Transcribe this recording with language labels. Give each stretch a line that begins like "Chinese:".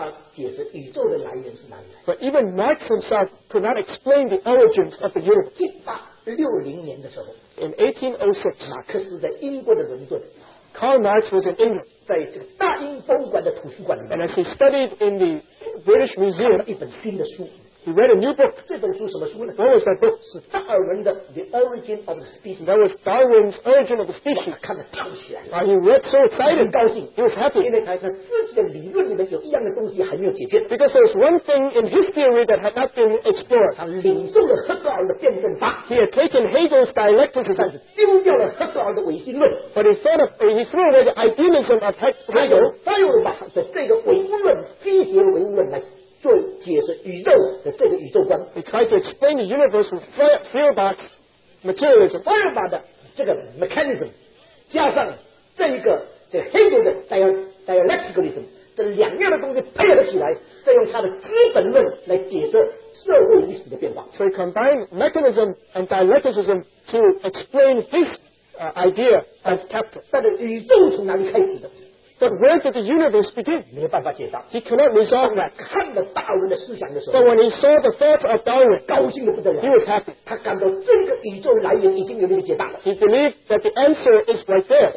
Chinese: 但是连马克思自己也没有办法解释宇宙的来源是哪里来。
English: But even Marx himself could not explain the origins of the universe.
Chinese: 1860年的时候,
English: in 1806,
Chinese: 马克思在英国的伦敦,
English: Karl Marx was in England.
Chinese: 在这个大英博物馆的图书馆里面,
English: and as he studied in the British Museum,
Chinese: 看了一本新的书,
English: he read a new book.
Chinese: 这本书什么书呢?
English: What was that book?
Chinese: 是达尔文的 The Origin of the Species.
English: That was Darwin's Origin of the Species.
Chinese: 看得跳起来了,
English: he read so excited.
Chinese: 很高兴,
English: he was happy.
Chinese: 因为他自己的理论里面有一样的东西还没有解决,
English: because there was one thing in his theory that had not been explored.
Chinese: 他领受了赫格尔的辩证法,
English: he had taken Hegel's dialecticism.
Chinese: 但是丢掉了赫格尔的唯心论,
English: but he threw away the idealism of Hegel.
Chinese: 他又把这个唯物论,机械唯物论来 做解释宇宙的这个宇宙观,
English: he tried to explain the universe with Feuerbach's materialism.
Chinese: Feuerbach的这个 mechanism 加上这个 dialecticalism, 这两样的东西配合起来, 再用他的基本论来解释社会历史的变化.
English: So he combined mechanism and dialecticism to explain his idea of capital.
Chinese: 但是宇宙从哪里开始的?
English: But where did the universe begin?
Chinese: 没有办法解答,
English: he cannot resolve that.
Chinese: 看了大人的思想的时候,
English: but when he saw the thought of Darwin,
Chinese: 高兴得不得了,
English: he was happy.
Chinese: 他感到这个宇宙来源已经有没有解答了,
English: he believed that the answer is right there.